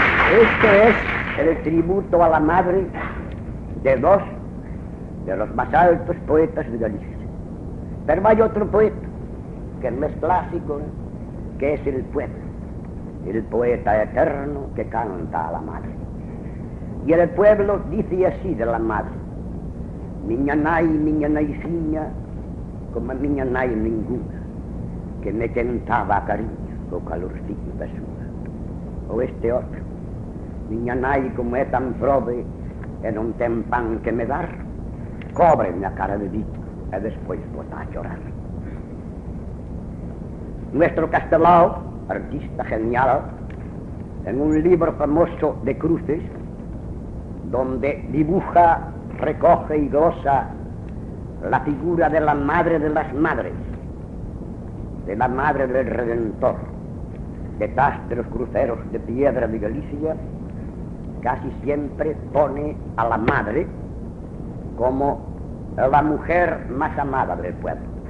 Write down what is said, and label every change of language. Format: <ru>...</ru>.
<es>Este es el tributo a la madre de dos de los más altos poetas de Galicia. Pero hay otro poeta que no es clásico, que es el pueblo, el poeta eterno que canta a la madre. Y el pueblo dice así de la madre:</es> <gl>miña nai, miña naisinha, como miña nai ninguna, que me quentaba a cariño co calorcito da súa.</gl> <es>O este otro:</es> <gl>miña nai, como é tan frobe e non ten pan que me dar, cóbreme a cara de dito e despois bota a chorar.</gl> <es>Nuestro Castelao, artista genial, en un libro famoso de cruces, donde dibuja, recoge y glosa la figura de la madre de las madres, de la madre del Redentor, detrás de los cruceros de piedra de Galicia, casi siempre pone a la madre como la mujer más amada del pueblo.</es>